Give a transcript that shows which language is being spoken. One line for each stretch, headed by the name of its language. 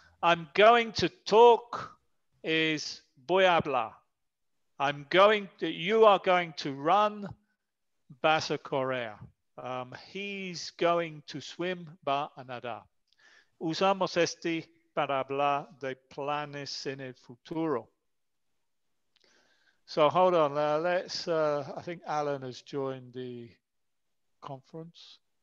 English: I'm going to talk is
Spanish: voy a hablar.
English: You are going to run,
Spanish: vas a correr.
English: He's going to swim,
Spanish: va a nadar. Usamos este para hablar de planes en el futuro.
English: So hold on, I think Alan has joined the conference.